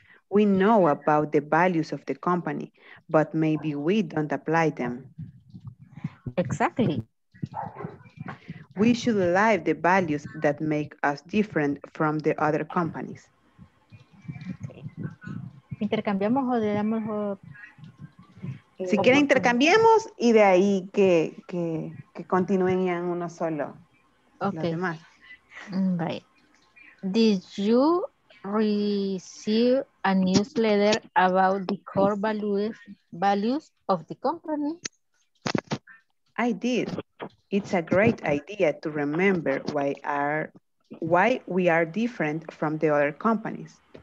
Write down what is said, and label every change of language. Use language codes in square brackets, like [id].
[en] We know about the values of the company, but maybe we don't apply them. Exactly. We should live the values that make us different from the other companies. [es] Okay. ¿Intercambiamos o le damos? Si quieren, intercambiemos y de ahí que continúen ya en uno solo. Okay. Los demás. Right. [en] Did you receive a newsletter about the core values of the company? I did. It's a great idea to remember why we are different from the other companies.